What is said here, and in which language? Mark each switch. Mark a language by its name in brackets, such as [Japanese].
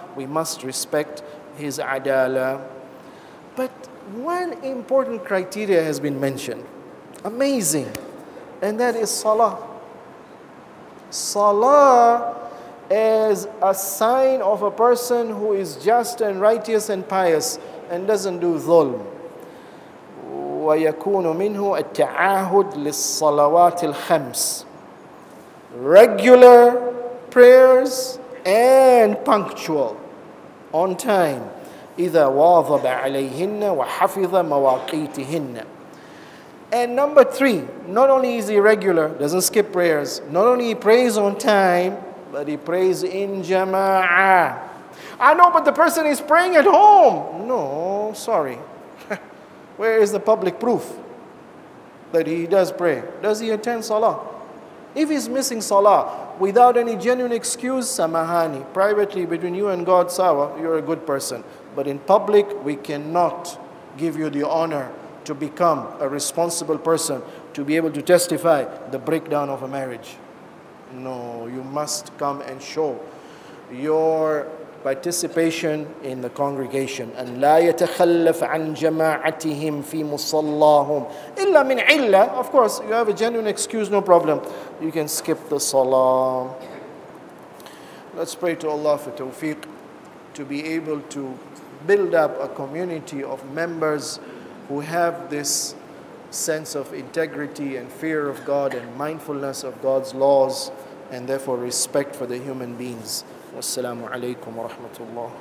[English] We must respect his adala. But one important criteria has been mentioned. Amazing. And that is salah. Salah is a sign of a person who is just and righteous and pious and doesn't do dhulm. [Arabic] ويكون منه التعاهد للصلوات الخمس. [English] Regular prayers and punctual on time. [Arabic] إذا واظب عليهن وحفظ مواقيتهن. [English] And number three, not only is he regular, doesn't skip prayers, not only he prays on time, but he prays in jama'ah. I know, but the person is praying at home. No, sorry. Where is the public proof that he does pray? Does he attend salah? If he's missing salah without any genuine excuse, samahani, privately between you and God, sawa, you're a good person. But in public, we cannot give you the honor to become a responsible person, to be able to testify the breakdown of a marriage. No, you must come and show your participation in the congregation. And [Arabic] لا يتخلف عن جماعتهم في مصلاهم إلا من علة. [English] Of course, you have a genuine excuse, no problem. You can skip the salah. Let's pray to Allah for tawfiq to be able to build up a community of members who have this sense of integrity and fear of God and mindfulness of God's laws, and therefore respect for the human beings. [Arabic] والسلام عليكم ورحمة الله.